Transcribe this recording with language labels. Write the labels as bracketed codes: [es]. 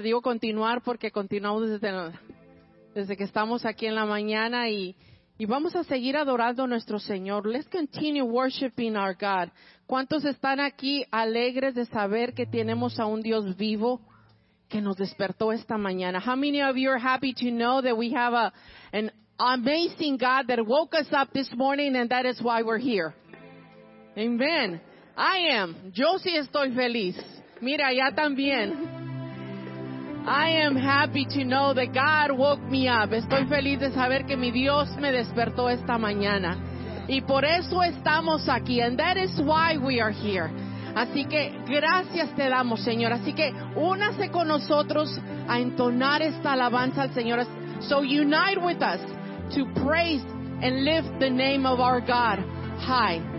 [es] Digo continuar porque continuamos desde que estamos aquí en la mañana y vamos a seguir adorando a nuestro Señor. [en] Let's continue worshiping our God. [es] ¿Cuántos están aquí alegres de saber que tenemos a un Dios vivo que nos despertó esta mañana? [en] How many of you are happy to know that we have an amazing God that woke us up this morning and that is why we're here? [es] Amen. [en] I am. [es] Yo sí estoy feliz. Mira, ya también. [en] I am happy to know that God woke me up. [es] Estoy feliz de saber que mi Dios me despertó esta mañana. Y por eso estamos aquí. [en] And that is why we are here. [es] Así que gracias te damos, Señor. Así que únase con nosotros a entonar esta alabanza al Señor. [en] So unite with us to praise and lift the name of our God high.